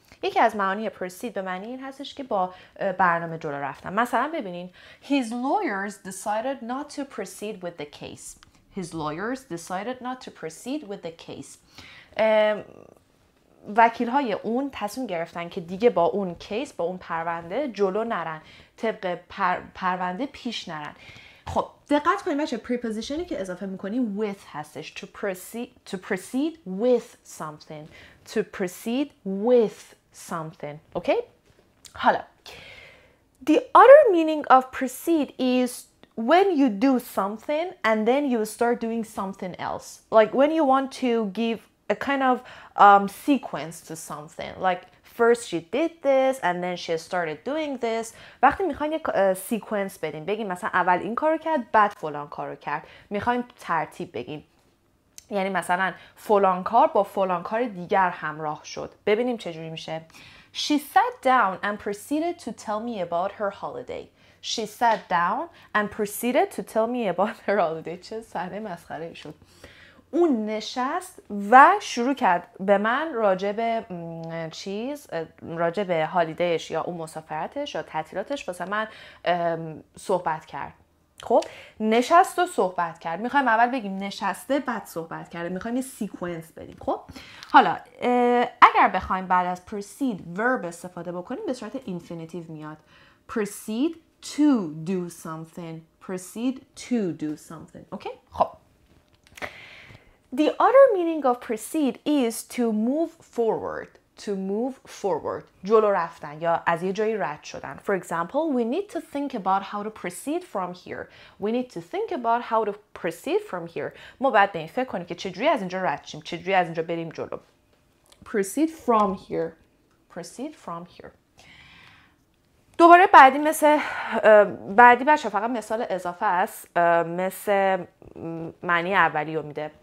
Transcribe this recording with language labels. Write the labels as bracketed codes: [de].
[fa] یکی از معانی proceed به معنی این هستش که با برنامه جلو رفتن. مثلا ببینین، [en] His lawyers decided not to proceed with the case. His lawyers decided not to proceed with the case. [fa] وکیل های اون تصمیم گرفتن که دیگه با اون کیس، با اون پرونده جلو نرن، طبق پرونده پیش نرن. خب دقت کنیم بچه، prepositionی که اضافه میکنیم with هستش. [en] To proceed with something. To proceed with something. Okay? [fa] حالا [en] the other meaning of proceed is when you do something and then you start doing something else. Like when you want to give a kind of sequence to something. Like first she did this and then she started doing this. [fa] وقتی میخوایم یک sequence بدیم، بگیم مثلا اول این کارو کرد بعد فلان کارو کرد، میخوایم ترتیب بگیم. یعنی مثلا فلان کار با فلان کار دیگر همراه شد. ببینیم چجوری میشه. [en] She sat down and proceeded to tell me about her holiday. She sat down and proceeded to tell me about her holiday. [fa] چه صحنه مسخره شد. اون نشست و شروع کرد به من راجب هالیدهش یا اون مسافرتش یا تعطیلاتش واسه من صحبت کرد. خب نشست و صحبت کرد. میخوایم اول بگیم نشسته بعد صحبت کرده. میخوایم یه سیکوینس بدیم. خب حالا اگر بخوایم بعد از proceed verb استفاده بکنیم به صورت infinitive میاد. [en] Proceed to do something. Proceed to do something. Okay? [fa] خب [en] the other meaning of proceed is to move forward. To move forward. [fa] جلو رفتن یا از یه جایی رد شدن. [en] For example, we need to think about how to proceed from here. We need to think about how to proceed from here. [fa] ما باید به این فکر کنیم که چجوری از اینجا رد شیم. چجوری از اینجا بریم جلو. [en] Proceed from here. Proceed from here. [fa] دوباره بعدی مثل بعدی بچه فقط مثال اضافه است، مثل معنی اولی رو میده.